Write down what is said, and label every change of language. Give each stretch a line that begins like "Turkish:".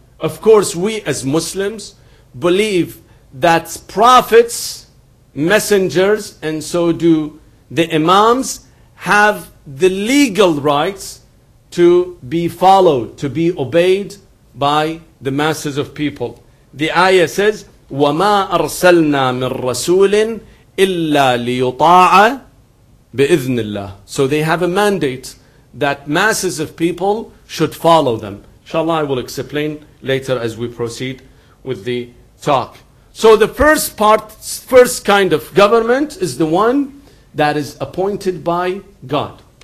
English: Of course, we as Muslims believe that prophets, messengers, and so do the imams, have the legal rights to be followed, to be obeyed by the masses of people. The ayah says,
Arabic: وَمَا أَرْسَلْنَا مِن رَّسُولٍ إِلَّا لِيُطَاعَ بِإِذْنِ اللَّهِ.
English: So they have a mandate that masses of people should follow them. Inshallah, I will explain later as we proceed with the talk. So the first part, first kind of government is the one that is appointed by God.